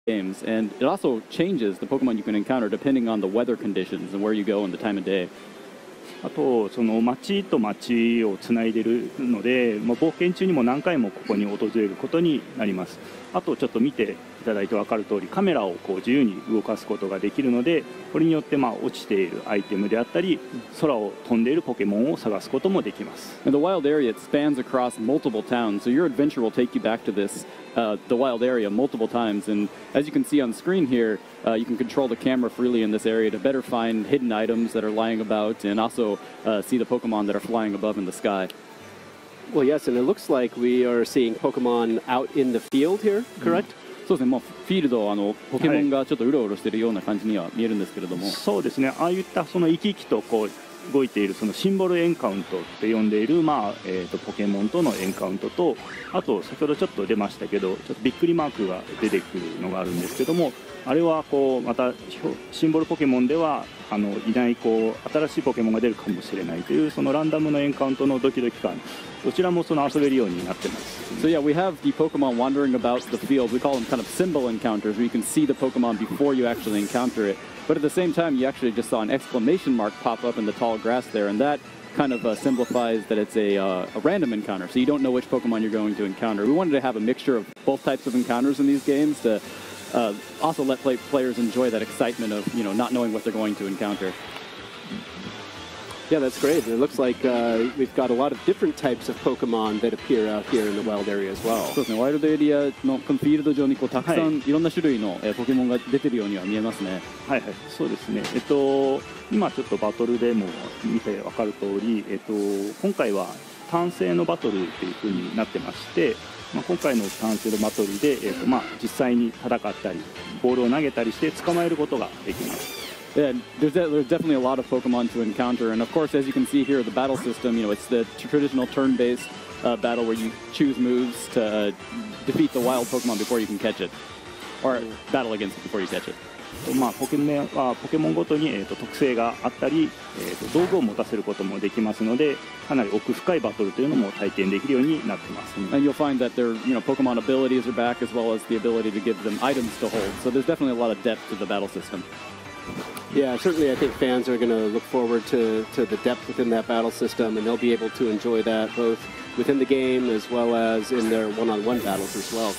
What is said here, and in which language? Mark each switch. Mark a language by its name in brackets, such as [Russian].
[English] games, and it also changes the Pokemon you can encounter depending on the weather conditions and where you go and the time of day. [Japanese] あとその町と町をつないでるので、まあ、冒険中にも何回もここに訪れることになります。あとちょっと見ていただいて分かる通りカメラをこう自由に動かすことができるので、これによってまあ落ちているアイテムであったり空を飛んでいるポケモンを探すこともできます。 [English] The wild area spans across multiple towns, so your adventure will take you back to this、the wild area multiple times, and as you can see on screen here、you can control the camera freely in this area to better find hidden items that are lying about and also、see the Pokemon that are flying above in the sky Well, yes, and it looks like we are seeing Pokemon out in the field here, correct? [Japanese] そうですね、もうフィールド、あのポケモンがちょっとうろうろしているような感じには見えるんですけれども。そうですね、ああいったその生き生きとこう動いているそのシンボルエンカウントって呼んでいる、まあポケモンとのエンカウントと、あと先ほどちょっと出ましたけど、ちょっとびっくりマークが出てくるのがあるんですけども、あれはこうまたシンボルポケモンではあのいないこう新しいポケモンが出るかもしれないというそのランダムのエンカウントのドキドキ感、どちらもその遊べるようになってます。 [English] So yeah, we have the Pokemon wandering about the field. We call them kind of symbol encounters where you can see the Pokemon before you actually encounter it. But at the same time, you actually just saw an exclamation mark pop up in the tall grass there, and thatkind of simplifies that it's a random encounter, so you don't know which Pokemon you're going to encounter. We wanted to have a mixture of both types of encounters in these games to also let players enjoy that excitement of, you know, not knowing what they're going to encounter. Yeah, that's great. It looks like we've got a lot of different types of Pokemon that appear out here in the wild area as well. [Japanese] そうですね、ワイルドエリアのフィールド上にこうたくさんいろんな種類のポケモンが出てるようには見えますね。はいはい、そうですね。今ちょっとバトルでも見て分かる通り、今回は単性のバトルっていう風になってまして、まあ、今回の単性のバトルで、まあ、実際に戦ったりボールを投げたりして捕まえることができます。 [English] Yeah, there's definitely a lot of Pokemon to encounter, and of course, as you can see here, the battle system, you know, it's the traditional turn-based battle where you choose moves to defeat the wild Pokemon before you can catch it, or battle against it before you catch it. [Japanese] まあ、ポケモンごとに、特性があったり、道具を持たせることもできますので、かなり奥深いバトルというのも体験できるようになってます。 [English] And you'll find that their, you know, Pokemon abilities are back, as well as the ability to give them items to hold. So there's definitely a lot of depth to the battle system. Yeah, certainly I think fans are going to look forward to the depth within that battle system, and they'll be able to enjoy that both within the game as well as in their one-on-one battles as well.